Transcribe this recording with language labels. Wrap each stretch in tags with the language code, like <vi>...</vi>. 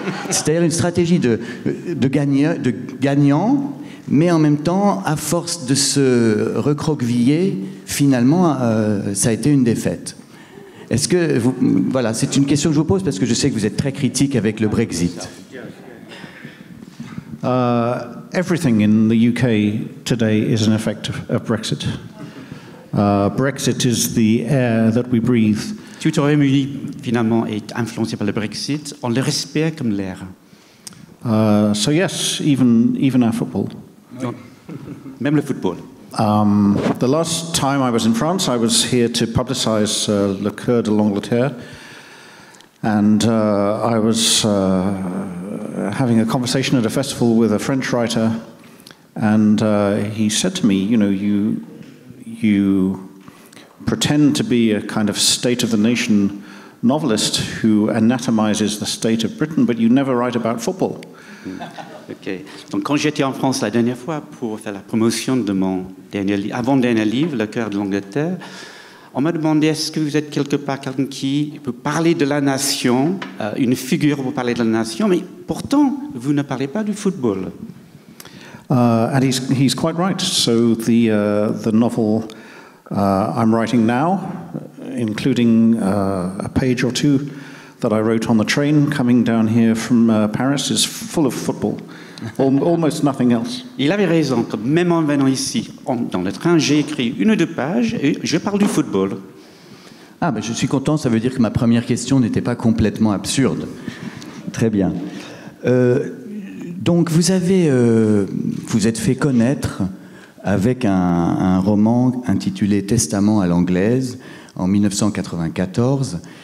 <fr>C'est-à-dire une stratégie de gagnant, mais en même temps, à force de se recroqueviller, finalement, ça a été une défaite. Est-ce que vous, voilà, c'est une question que je vous pose parce que je sais que vous êtes très critique avec le Brexit.</fr> <en>Everything in the UK today is an effect of Brexit. Brexit is the air that we breathe.</en> <fr>Tout le Royaume-Uni finalement est influencé par le Brexit. On le respire comme l'air.</fr> <en>So yes, even our football.</en> <fr>Même le football.</fr> <en>The last time I was in France, I was here to publicize Le Coeur de l'Angleterre, and I was having a conversation at a festival with a French writer, and he said to me, you know, you pretend to be a kind of state of the nation novelist who anatomizes the state of Britain, but you never write about football. Okay.</en> <fr>Donc quand j'étais en France la dernière fois pour faire la promotion de mon avant-dernier livre, Le Cœur de l'Angleterre, on m'a demandé est-ce que vous êtes quelque part quelqu'un qui peut parler de la nation, une figure pour parler de la nation, mais pourtant vous ne parlez pas du football.</fr> <en>And he's quite right. So the novel I'm writing now, including a page or two that I wrote on the train coming down here from Paris, is full of football, almost nothing else.</en> <fr>Il avait raison, même en venant ici, dans le train, j'ai écrit une ou deux pages et je parle du football. Ah, ben je suis content, ça veut dire que ma première question n'était pas complètement absurde. Très bien. Donc vous avez, vous êtes fait connaître avec un roman intitulé Testament à l'anglaise en 1994.</fr>